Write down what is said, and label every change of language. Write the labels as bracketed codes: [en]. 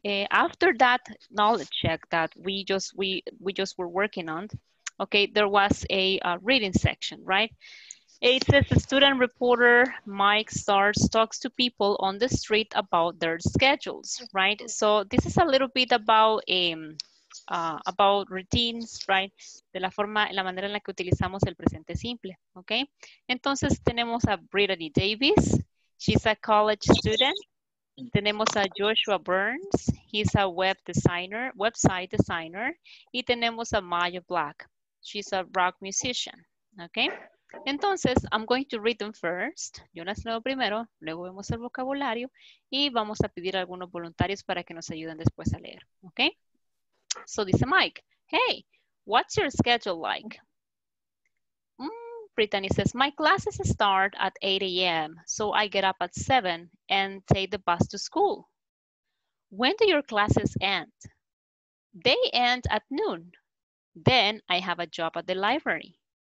[en] After that knowledge check that we just were working on, okay, there was a reading section, right? It says the student reporter Mike Starrs talks to people on the street about their schedules, right? So this is a little bit about about routines, right? [es] De la forma, la manera en la que utilizamos el presente simple, ¿ok? Entonces tenemos a [en] Brittany Davis, she's a college student. [es] Tenemos a [en] Joshua Burns, he's a website designer. [es] Y tenemos a [en] Maya Black, she's a rock musician, ¿ok? [es] Entonces, [en] I'm going to read them first. [es] Yo las leo primero, luego vemos el vocabulario y vamos a pedir a algunos voluntarios para que nos ayuden después a leer, ¿ok? [en] So, [es] dice [en] Mike, hey, what's your schedule like? Brittany says, my classes start at 8 a.m., so I get up at 7 and take the bus to school. When do your classes end? They end at noon. Then I have a job at the library.